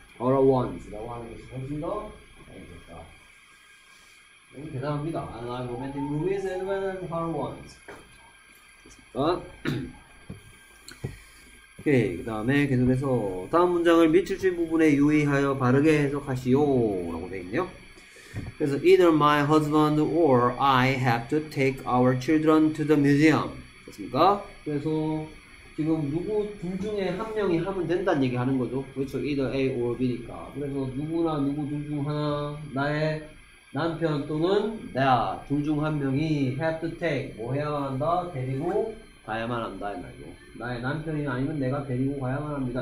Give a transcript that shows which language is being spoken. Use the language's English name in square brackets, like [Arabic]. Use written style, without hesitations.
[English] Horror ones [Korean] 라고 하는 것이 훨씬 더 자연스럽다. 너무 대단합니다. [English] Unlike romantic movies as well as horror ones. 됐습니까? [Korean] 오케이, 그 다음에 계속해서 다음 문장을 밑줄진 부분에 유의하여 바르게 해석하시오 라고 되어있네요. [English] 그래서 Either my husband or I have to take our children to the museum. [Korean] 됐습니까? 그래서 지금 누구 둘 중에 한 명이 하면 된다는 얘기 하는 거죠. 그렇죠? [English] Either A or B [Korean] 니까. 그래서 누구나 누구 둘중 하나, 나의 남편 또는 내가 둘중한 명이 [English] have to take, [Korean] 뭐 해야만 한다? 데리고 가야만 한다 이 말이고, 나의 남편이 아니면 내가 데리고 가야만 합니다.